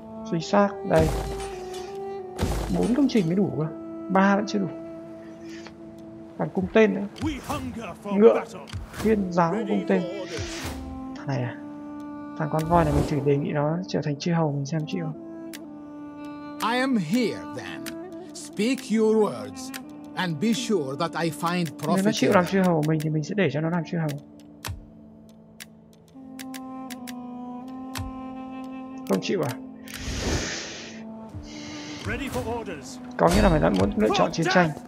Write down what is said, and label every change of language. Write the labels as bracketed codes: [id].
[vi] Chính xác, đây. 4 công trình mới đủ cơ. 3 vẫn chưa đủ. Còn cung tên nữa. Ngựa. Thiên giáo cung tên. Này à, thằng con voi này mình thử đề nghị nó trở thành chư hầu mình xem chịu không. [en] I am here then. Speak your words and be sure that I find profit. [vi] Nếu nó chịu làm chư hầu mình thì mình sẽ để cho nó làm chư hầu. Không chịu à? [en] Ready for orders. [vi] Có nghĩa là mày đã muốn lựa chọn chiến tranh.